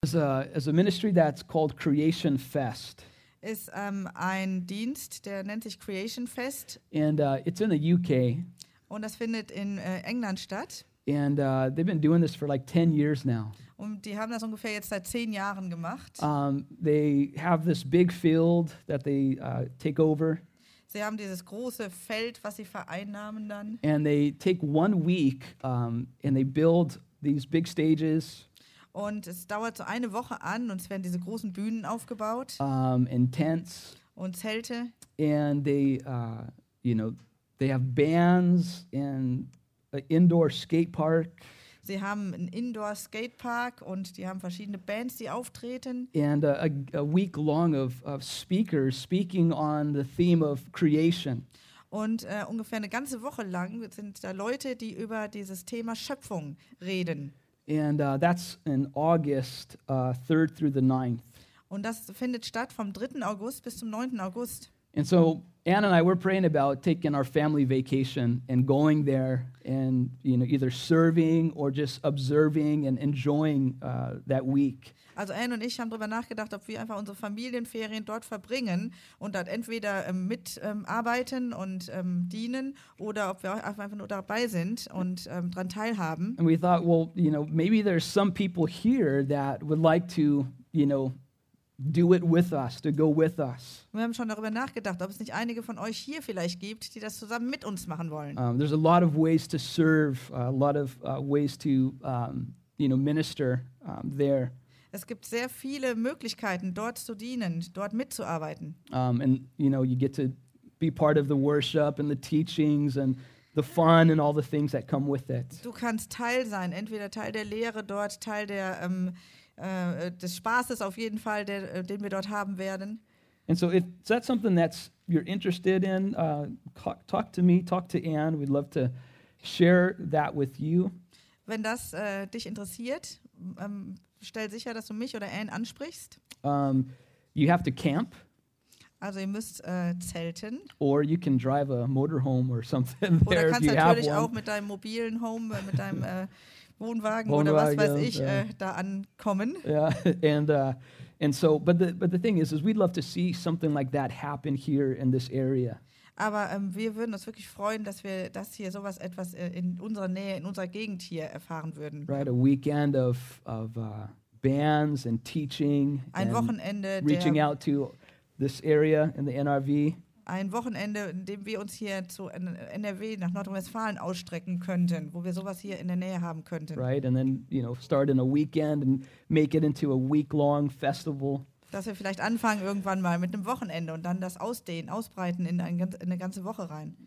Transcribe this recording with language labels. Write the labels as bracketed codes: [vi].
[en] It's a ministry that's called Creation Fest. [de] Ist ein Dienst, der nennt sich Creation Fest. [en] And it's in the UK. [de] Und das findet in England statt. [en] And they've been doing this for like 10 years now. [de] Und die haben das ungefähr jetzt seit 10 Jahren gemacht. [en] They have this big field that they take over. [de] Sie haben dieses große Feld, was sie vereinnahmen dann. [en] And they take 1 week and they build these big stages. [de] Und es dauert so eine Woche an und es werden diese großen Bühnen aufgebaut. [en] And tents. [de] Und Zelte. [en] And they, you know, they have bands and an indoor skate park. [de] Sie haben einen indoor skate park und die haben verschiedene Bands, die auftreten. [en] And a week long of speakers speaking on the theme of creation. [de] Und ungefähr eine ganze Woche lang sind da Leute, die über dieses Thema Schöpfung reden. [en] And that's in August 3rd through the 9th. [de] Und das findet statt vom 3. August bis zum 9. August. [en] And so Anne and I were praying about taking our family vacation and going there and, you know, either serving or just observing and enjoying that week. [de] Also Anne und ich haben darüber nachgedacht, ob wir einfach unsere Familienferien dort verbringen und dort entweder mitarbeiten und dienen oder ob wir einfach nur dabei sind und dran teilhaben. [en] And we thought, well, you know, maybe there's some people here that would like to, you know, do it with us, to go with us. [de] Wir haben schon darüber nachgedacht, ob es nicht einige von euch hier vielleicht gibt, die das zusammen mit uns machen wollen. [en] There's a lot of ways to serve, a lot of ways to, you know, minister there. [de] Es gibt sehr viele Möglichkeiten, dort zu dienen, dort mitzuarbeiten. [en] And, you know, you get to be part of the worship and the teachings and the fun and all the things that come with it. [de] Du kannst Teil sein, entweder Teil der Lehre dort, Teil der des Spaßes auf jeden Fall, der, den wir dort haben werden. [en] And so if that's something that you're interested in, talk to me, talk to Anne. We'd love to share that with you. [de] Wenn das dich interessiert, stell sicher, dass du mich oder Anne ansprichst. [en] You have to camp. [de] Also ihr müsst zelten. [en] Or you can drive a motorhome or something there if you have one. [de] Oder kannst natürlich auch mit deinem mobilen Home, mit deinem Wohnwagen oder was weiß ich, da ankommen. [en] Yeah, and so, but the thing is we'd love to see something like that happen here in this area. [de] Aber wir würden uns wirklich freuen, dass wir das hier sowas etwas in unserer Nähe, in unserer Gegend hier erfahren würden. [en] Right, a weekend of bands and teaching. [de] Ein Wochenende, [en] reaching out to this area in the NRV. [de] Ein Wochenende, in dem wir uns hier zu NRW nach Nordrhein-Westfalen ausstrecken könnten, wo wir sowas hier in der Nähe haben könnten. [en] Right, and then, you know, start in a weekend and make it into a week-long festival. [de] Dass wir vielleicht anfangen irgendwann mal mit einem Wochenende und dann das ausdehnen, ausbreiten in, ein, in eine ganze Woche rein.